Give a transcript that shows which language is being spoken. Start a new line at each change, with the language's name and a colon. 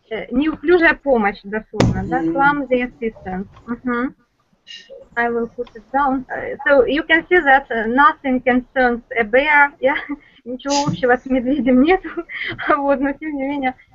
Russian: Неуклюжая помощь, дословно, да?
English: Clumsy assistance. Uh-huh. I will put it down. So you can see that nothing concerns a bear, yeah?
Russian: Ничего общего с медведем нету, вот, но тем не менее.